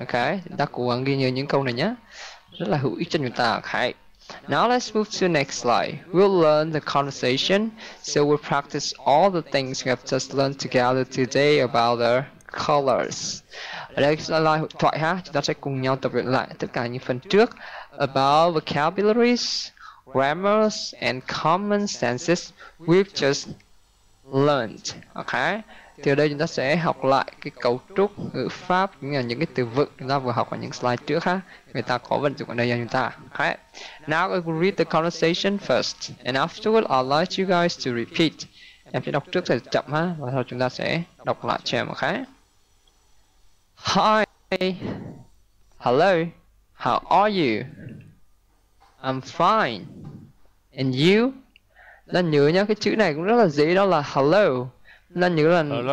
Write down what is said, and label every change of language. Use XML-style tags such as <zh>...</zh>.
<vi>Okay, chúng ta cố gắng ghi nhớ những câu này nhé. Rất là hữu ích cho chúng ta.</vi> <en>Okay. Now let's move to the next slide. We'll learn the conversation, so we'll practice all the things we have just learned together today about the colors.</en> <vi>Ở đây là slide thoại ha. Chúng ta sẽ cùng nhau tập luyện lại tất cả những phần trước</vi> <en>about vocabularies, grammars, and common senses we've just learned.</en> <vi>Okay. Thì ở đây chúng ta sẽ học lại cái cấu trúc ngữ pháp, cũng như là những cái từ vựng chúng ta vừa học ở những slide trước ha. Người ta có vận dụng ở đây cho chúng ta. Okay.</vi> <en>Now I will read the conversation first, and afterward I'll like you guys to repeat.</en> <vi>Em sẽ đọc trước sẽ chậm ha, và sau chúng ta sẽ đọc lại cho em.</vi> <en>Okay. Hi. Hello. How are you? I'm fine. And you?</en> <vi>Nên nhớ nhá, cái chữ này cũng rất là dễ, đó là hello. Nên nhớ là hello.</vi>